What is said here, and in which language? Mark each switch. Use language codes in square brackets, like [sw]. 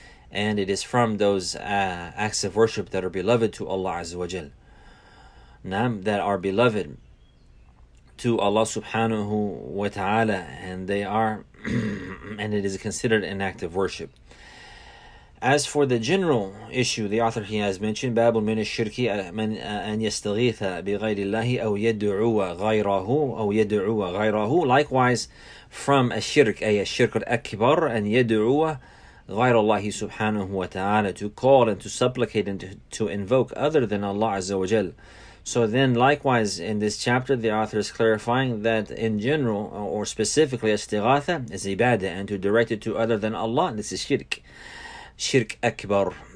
[en] And it is from those acts of worship that are beloved to Allah Azza wa Jal. Naam, that are beloved to Allah Subhanahu wa Ta'ala. And they are, and it is considered an act of worship. As for the general issue, the author, he has mentioned, [ar] بَابٌ مِنَ الشِّرْكِ مَنْ أَنْ يَسْتَغِيثَ بِغَيْرِ اللَّهِ أَوْ يَدْعُوَ غَيْرَهُ أَوْ يَدْعُوَ غَيْرَهُ. [en] Likewise, from a shirk al-akbar, and [ar] يَدْعُوَ غير الله سبحانه وتعالى, [en] to call and to supplicate and to invoke other than Allah Azza wa Jal. So then likewise in this chapter, the author is clarifying that in general or specifically istighatha is ibadah, and to direct it to other than Allah, this is shirk, shirk akbar.